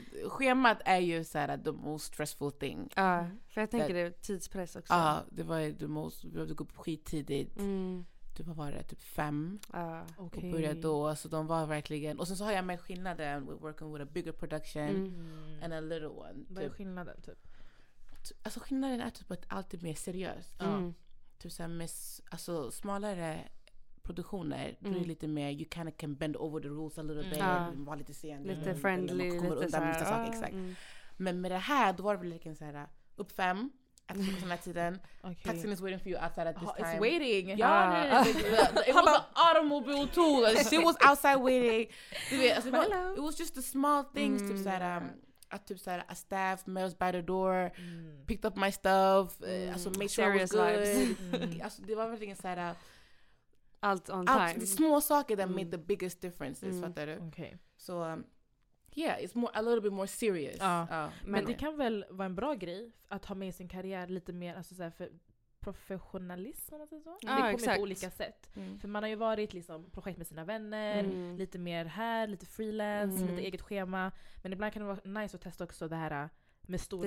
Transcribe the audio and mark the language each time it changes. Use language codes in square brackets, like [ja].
[sv] Schemat är ju så här [en] the most stressful thing. [sv] Ja, för jag tänker det är tidspress också. Ja, det var ju [en] the most... [sv] Vi behövde gå upp skittidigt. Du typ var det typ 5. Och började då. Så de var verkligen... Och sen så har jag med skillnaden. [en] We're working with a bigger production and a little one. [sv] Vad typ. Är skillnaden typ? Alltså skillnaden är typ att allt är mer seriöst. Typ såhär med alltså smalare produktioner då är det lite mer, [en] you kind of can bend over the rules a little bit, [sv] vara lite sen lite friendly, lite såhär men med det här, då var det väl liksom såhär, upp 5 att få den här tiden, taxin [en] is waiting for you outside at this time. It's waiting! Ja, it was an automobile tool, she was outside waiting. [sv] Du vet, alltså, [en] it was just the small things, [sv] typ såhär att typ såhär, [en] a staff met us by the door, picked up my stuff, alltså made sure I was good. [sv] Alltså det var verkligen såhär [en] allt on time. [sv] Små saker [en] that made the biggest differences, [sv] fattar du? [en] Okay. So, yeah, it's more, a little bit more serious. [sv] Men det kan väl vara en bra grej att ha med sin karriär lite mer, alltså såhär för professionalism eller något sånt. Det kommer på olika sätt. För man har ju varit liksom projekt med sina vänner, lite mer här, lite freelance, lite eget schema. Men ibland kan det vara nice att testa också det här med stora